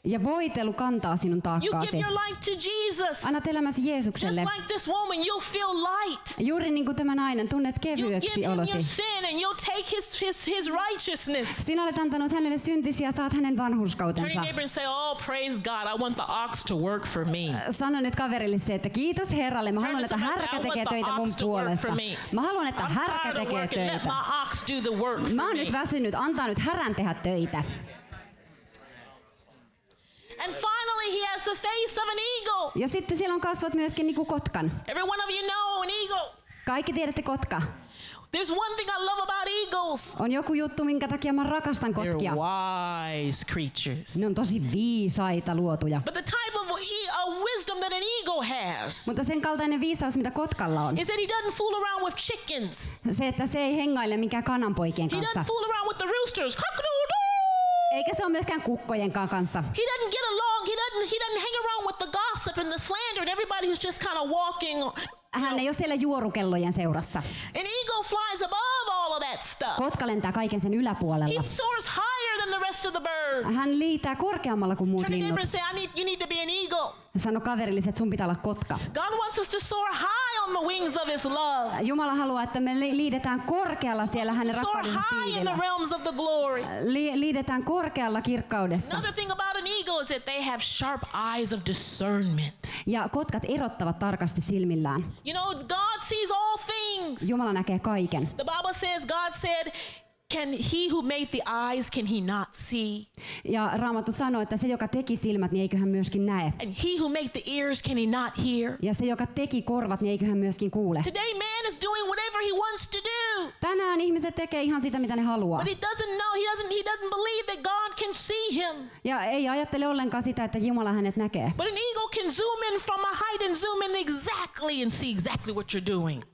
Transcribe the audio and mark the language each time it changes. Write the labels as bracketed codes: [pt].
[fi] Ja voitelu kantaa sinun taakkaasi. [en] You give your life to Jesus. [fi] Annat elämäsi Jeesukselle. [en] Just like this woman, you'll feel light. [fi] Juuri niin kuin tämä nainen, tunnet kevyeksi olosi. [en] You give him your sin and you'll take his righteousness. [fi] Sinä olet antanut hänelle syntisiä, saat hänen vanhurskautensa. [en] Oh, praise God, I want the ox to work for me. [fi] Sanon nyt kaverillesi, että kiitos Herralle. Mä haluan, että härkä tekee töitä mun puolesta. Mä haluan, että härkä tekee töitä. [en] Let my ox do the work for me. [fi] Mä oon nyt väsynyt. Antaa nyt härän tehdä töitä. [en] And finally he has the face of an eagle. [fi] Ja sitten siellä on kasvot myöskin niinku kotkan. [en] Every one of you know an eagle. [fi] Kaikki tiedätte kotka. [en] There's one thing I love about eagles. [fi] On joku juttu, minkä takia mä rakastan kotkia. [en] They're wise creatures. [fi] Ne on tosi viisaita luotuja. [en] But the type of wisdom that an eagle has. [fi] Mutta sen kaltainen viisaus, mitä kotkalla on. [en] Is that he doesn't fool around with chickens. [fi] Se, että se ei hengaile minkään kananpoikien kanssa. [en] He doesn't fool around with the roosters. [fi] Eikä se ole myöskään kukkojenkaan kanssa. [en] He doesn't get along. He doesn't hang around with the gossip and the slander and everybody who's just kind of walking. [fi] Hän ei ole siellä juorukellojen seurassa. [en] An eagle flies above all of that stuff. [fi] Kotka lentää kaiken sen yläpuolella. [en] He soars higher than the rest of the birds. [fi] Hän liitää korkeammalla kuin muut linnut. [en] Turn to neighbor and say, you need to be an eagle. [fi] Sano kaverillesi, että sun pitää olla kotka. [en] God wants us to soar high on the wings of his love. [fi] Jumala haluaa, että me liidetään korkealla siellä hänen rakkaudensa siivillä. [en] Soar high in the realms of the glory. [fi] Liidetään korkealla kirkkaudessa. [en] Another thing about an eagle is that they have sharp eyes of discernment. [fi] Ja kotkat erottavat tarkasti silmillään. [en] You know, God sees all things. [fi] Jumala näkee kaiken. [en] The Bible says God said, can he who made the eyes, can he not see? [fi] Ja Raamattu sanoo, että se, joka teki silmät, niin eiköhän myöskin näe. [en] And he who made the ears, can he not hear? [fi] Ja se, joka teki korvat, niin eiköhän myöskin kuule. [en] Today man is doing whatever he wants to do. [fi] Tänään ihmiset tekee ihan sitä, mitä ne haluaa. [en] But he doesn't believe that God can see him. [fi] Ja ei ajattele ollenkaan sitä, että Jumala hänet näkee. [en] But an eagle can zoom in from a height and zoom in exactly and see exactly what you're doing.